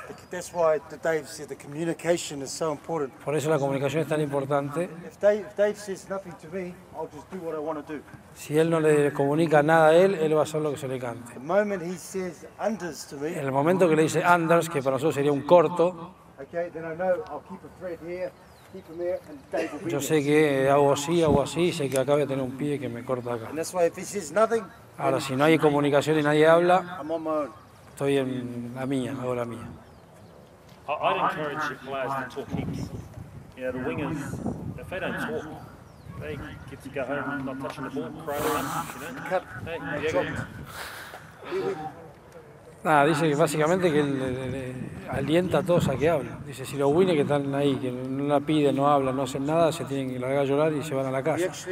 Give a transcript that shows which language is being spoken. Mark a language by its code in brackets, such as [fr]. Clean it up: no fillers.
[en] That's why Dave said the communication is so important. [es] Por eso la comunicación es tan importante. [en] If Dave says nothing to me, I'll just do what I want to do. [es] Si él no le comunica nada a él, él va a hacer lo que se le cante. [en] The moment he says unders to me. [es] En el momento que le dice unders, que para nosotros sería un corto. [en] Okay, then I know I'll keep a thread here, keep him there, and Dave will be. [es] Yo sé que hago así, sé que acá voy a tener un pie que me corta acá. [en] And that's why if he says nothing. [es] Ahora si no hay comunicación y nadie habla, [en] I'm on my own. [es] Estoy en la mía, hago la mía. [en] I'd encourage your players to talk heaps. You know, the wingers, if they don't talk, they get to go home not touching the ball, crow, you know. Cut. [es] Nah, dice que básicamente que le alienta a todos a que hablen. Dice, si los winners que están ahí, que no la piden, no hablan, no hacen nada, se tienen que largar a llorar y se van a la casa.